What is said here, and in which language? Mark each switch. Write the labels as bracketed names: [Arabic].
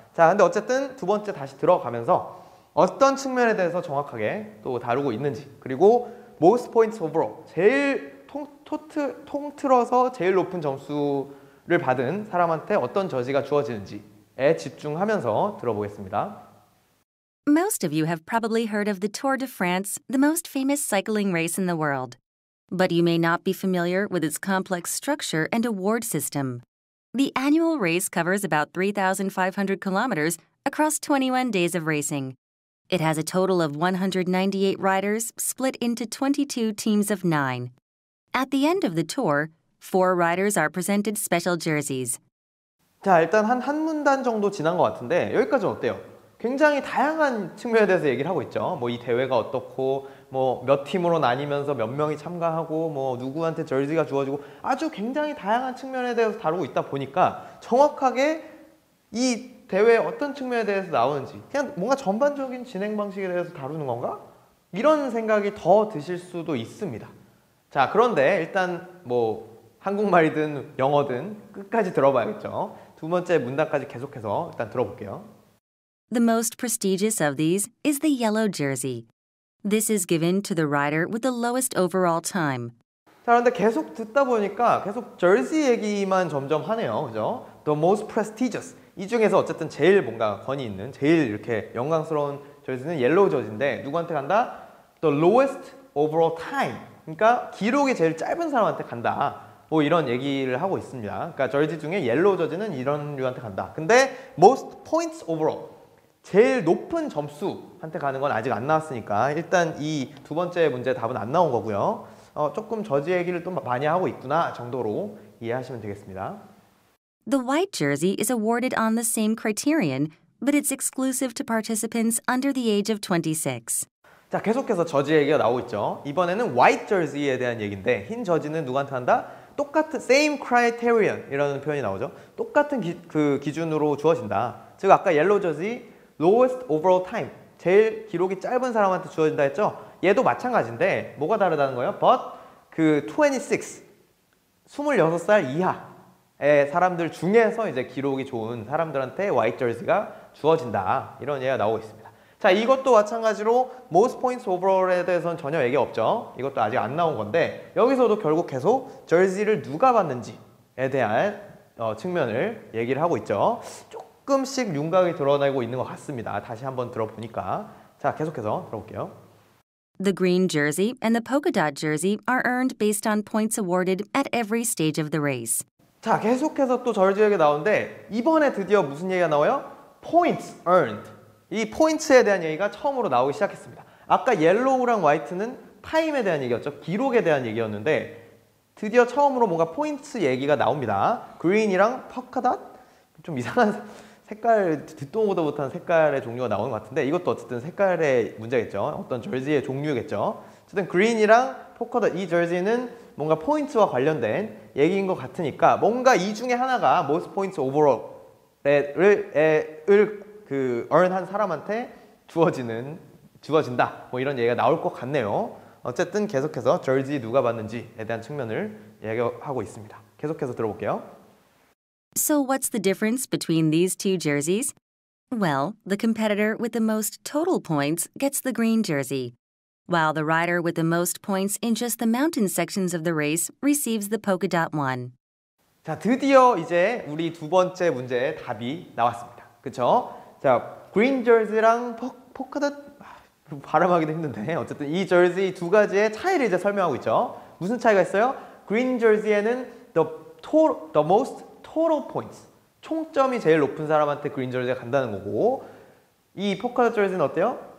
[Korean] 자, 근데 어쨌든 두 번째 다시 들어가면서 어떤 측면에 대해서 정확하게 또 다루고 있는지 그리고 [English] most points overall [Korean] 제일 통틀어서 제일 높은 점수를 받은 사람한테 어떤 저지가 주어지는지에 집중하면서 들어보겠습니다. [English] Most of you have probably heard of the Tour de France, the most famous cycling race in the world. But you may not be familiar with its complex structure and award system. The annual race covers about 3,500 kilometers across 21 days of racing. It has a total of 198 riders split into 22 teams of nine. At the end of the tour, four riders are presented special jerseys. [Korean] 자, 일단 한 문단 정도 지난 것 같은데 여기까지는 어때요? 굉장히 다양한 측면에 대해서 얘기를 하고 있죠. 뭐 이 대회가 어떻고 뭐 몇 팀으로 나뉘면서 몇 명이 참가하고 뭐 누구한테 저지가 주어지고 아주 굉장히 다양한 측면에 대해서 다루고 있다 보니까 정확하게 이 대회의 어떤 측면에 대해서 나오는지 그냥 뭔가 전반적인 진행 방식에 대해서 다루는 건가? 이런 생각이 더 드실 수도 있습니다. 자, 그런데 일단 뭐 한국말이든 영어든 끝까지 들어봐야겠죠. 두 번째 문단까지 계속해서 일단 들어볼게요. [English] The most prestigious of these is the yellow jersey. This is given to the rider with the lowest overall time. [Korean] 자, 그런데 계속 듣다 보니까 계속 jersey 얘기만 점점 하네요. 그죠? [English] The most prestigious. [Korean] 이 중에서 어쨌든 제일 뭔가 권위 있는, 제일 이렇게 영광스러운 jersey는 yellow jersey인데 누구한테 간다? [English] The lowest overall time. [Korean] 그러니까 기록이 제일 짧은 사람한테 간다. 뭐 이런 얘기를 하고 있습니다. 그러니까 jersey 중에 yellow jersey는 이런 류한테 간다. 근데 [English] most points overall. [Korean] 제일 높은 점수한테 가는 건 아직 안 나왔으니까 일단 이 두 번째 문제 답은 안 나온 거고요. 조금 저지 얘기를 또 많이 하고 있구나 정도로 이해하시면 되겠습니다. [English] The white jersey is awarded on the same criterion, but it's exclusive to participants under the age of 26. [Korean] 자, 계속해서 저지 얘기가 나오고 있죠. 이번에는 white jersey에 대한 얘기인데 흰 저지는 누구한테 한다? 똑같은 [English] same criterion [Korean] 이라는 표현이 나오죠. 똑같은 그 기준으로 주어진다. 즉 아까 yellow jersey [English] lowest overall time [Korean] 제일 기록이 짧은 사람한테 주어진다 했죠? 얘도 마찬가지인데 뭐가 다르다는 거예요? but 그 26 26살 이하의 사람들 중에서 이제 기록이 좋은 사람들한테 white jersey가 주어진다 이런 얘기가 나오고 있습니다. 자, 이것도 마찬가지로 [English] most points overall [Korean] 에 대해서는 전혀 얘기 없죠. 이것도 아직 안 나온 건데 여기서도 결국 계속 jersey를 누가 받는지에 대한 측면을 얘기를 하고 있죠. 조금씩 윤곽이 드러나고 있는 것 같습니다. 다시 한번 들어보니까. 자, 계속해서 들어볼게요. [English] The green jersey and the polka dot jersey are earned based on points awarded at every stage of the race. [Korean] 자, 계속해서 또 저지 얘기 나오는데 이번에 드디어 무슨 얘기가 나와요? [English] Points earned. [Korean] 이 포인트에 대한 얘기가 처음으로 나오기 시작했습니다. 아까 옐로우랑 화이트는 타임에 대한 얘기였죠. 기록에 대한 얘기였는데 드디어 처음으로 뭔가 포인트 얘기가 나옵니다. 그린이랑 퍼카 닷? 좀 이상한 색깔, 듣도 보도 못한 색깔의 종류가 나오는 것 같은데 이것도 어쨌든 색깔의 문제겠죠. 어떤 절지의 종류겠죠. 어쨌든 그린이랑 퍼카 닷, 이 절지는 뭔가 포인트와 관련된 얘기인 것 같으니까 뭔가 이 중에 하나가 [English] most points overall [Korean] 을 그 earn 한 사람한테 주어진다 뭐 이런 얘기가 나올 것 같네요. 어쨌든 계속해서 jersey 누가 받는지에 대한 측면을 얘기하고 있습니다. 계속해서 들어볼게요. [English] So what's the difference between these two jerseys? Well, the competitor with the most total points gets the green jersey, while the rider with the most points in just the mountain sections of the race receives the polka dot one. [Korean] 자, 드디어 이제 우리 두 번째 문제의 답이 나왔습니다. 그렇죠? 자, 그린 저지랑 포카닷 발음하기도 힘든데 어쨌든 이 저지 두 가지의 차이를 이제 설명하고 있죠. 무슨 차이가 있어요? 그린 저지에는 [English] the most total points [Korean] 총점이 제일 높은 사람한테 그린 저지가 간다는 거고 이 포카닷 저지는 어때요?